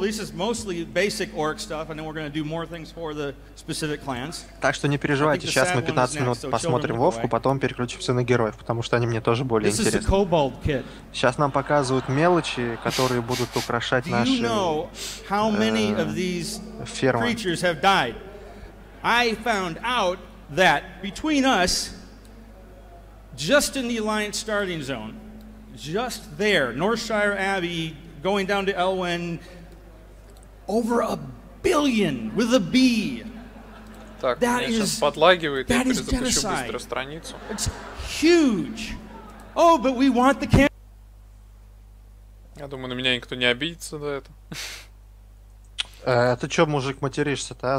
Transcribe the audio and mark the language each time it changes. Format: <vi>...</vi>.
<en>This is mostly basic orc stuff, and then we're going to do more things for the specific clans.</en> <ru>Так что не переживайте, сейчас мы 15 минут посмотрим Вовку, потом переключимся на героев, потому что они мне тоже более интересны.</ru> <en>This is a kobold kit.</en> <ru>Сейчас нам показывают мелочи, которые будут украшать наши фермы.</ru> <en>Do you know how many of these creatures have died? I found out that between us, just in the Alliance starting zone, just there, Northshire Abbey. Going down to Elwynn, over a billion with a B.</en> <ru>Так,</ru> <en>that is,</en> <ru>сейчас подлагивает, я перезапущу быстро страницу.</ru> <en>It's huge. Oh, but we want the can-</en> <ru>я думаю, на меня никто не обидится за это. Ты чё, мужик, материшься-то, а?</ru>